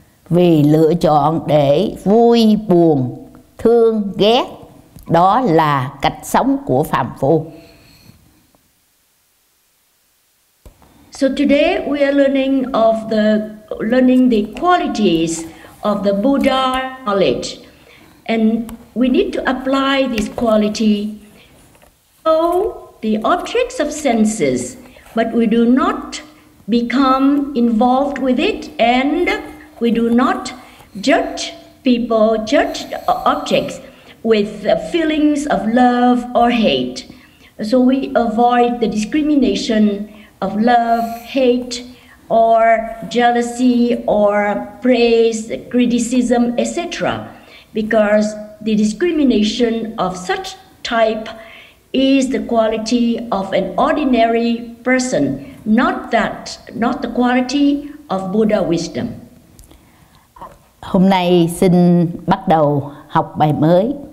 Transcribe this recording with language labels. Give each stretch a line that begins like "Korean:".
Vietnamese: Vì lựa chọn để vui, buồn, thương, ghét, đó là cách sống của phàm phu.
English: So today we are learning the qualities of the Buddha knowledge, and we need to apply this quality to the objects of senses, but we do not become involved with it, and we do not judge people, judge objects with feelings of love or hate. So we avoid the discrimination of love, hate, or jealousy, or praise, criticism, etc. Because the discrimination of such type is the quality of an ordinary person, not the quality of Buddha wisdom.
Vietnamese: Hôm nay xin bắt đầu học bài mới.